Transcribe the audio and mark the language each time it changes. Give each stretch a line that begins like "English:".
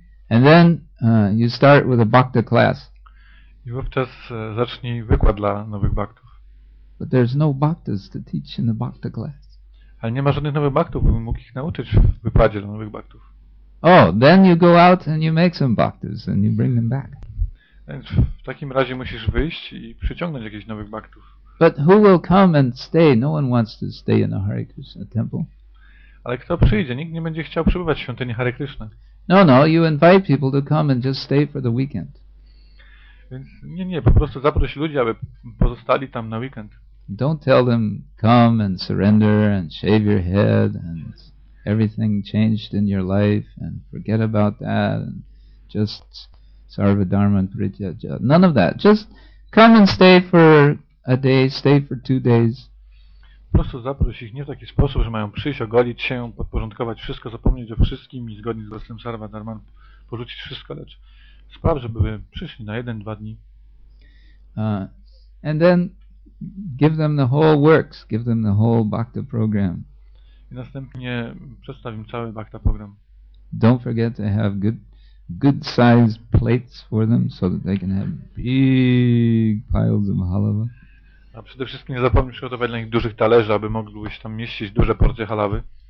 English: And then you start with a bhakta class.
Polish: I wówczas zacznij wykład dla nowych baktów.
English: But there's no bhaktas to teach in the bhakta class.
Polish: Ale nie ma żadnych nowych baktów, bym mógł ich nauczyć w wykładzie dla nowych baktów.
English: Oh, then you go out and you make some bhaktas and you bring them back.
Polish: Więc w takim razie musisz wyjść i przyciągnąć jakichś nowych baktów.
English: But who will come and stay? No one wants to stay in a Hare Krishna temple.
Polish: Ale kto przyjdzie? Nikt nie będzie chciał przebywać w świątyni Hare Krishna.
English: No, you invite people to come and just stay for the weekend.
Polish: Więc nie, po prostu zaproś ludzi, aby pozostali tam na weekend.
English: Don't tell them, come and surrender and shave your head and everything changed in your life and forget about that and just sarva dharma and prityaja. None of that. Just come and stay for a day, stay for 2 days.
Polish: Po prostu zaproś ich nie w taki sposób, że mają przyjść, ogolić się, podporządkować wszystko, zapomnieć o wszystkim i zgodnie z własnym sarva dharma porzucić wszystko, lecz spraw, żeby przyszli na 1-2 dni.
English: And then give them the whole works, give them the whole bhakta program.
Polish: I następnie przedstawim cały bhakta program.
English: Don't forget to have good sized plates for them so that they can have big piles of halava.
Polish: A przede wszystkim nie zapomnij przygotować dla nich dużych talerzy, aby mogły się tam mieścić duże porcje halawy.